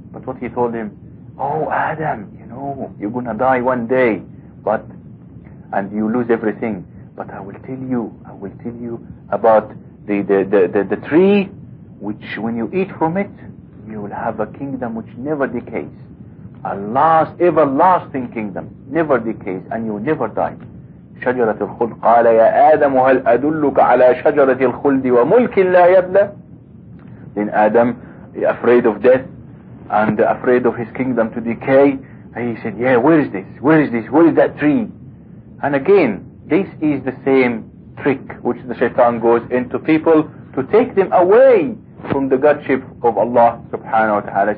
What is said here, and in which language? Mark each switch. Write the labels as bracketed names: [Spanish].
[English] But what he told him, oh Adam, you know, you're gonna die one day, but and you lose everything, but I will tell you about the tree which when you eat from it, you will have a kingdom which never decays. A last, everlasting kingdom, never decays, and you never die. [Arabic] شجرة الخلد قال يا آدم هل أدلك على شجرة الخلد وملك لا يبلى. [English] Then Adam, afraid of death, and afraid of his kingdom to decay, he said, yeah, where is this? Where is this? Where is that tree? And again, this is the same trick which the shaitan goes into people to take them away from the Godship of Allah subhanahu wa ta'ala.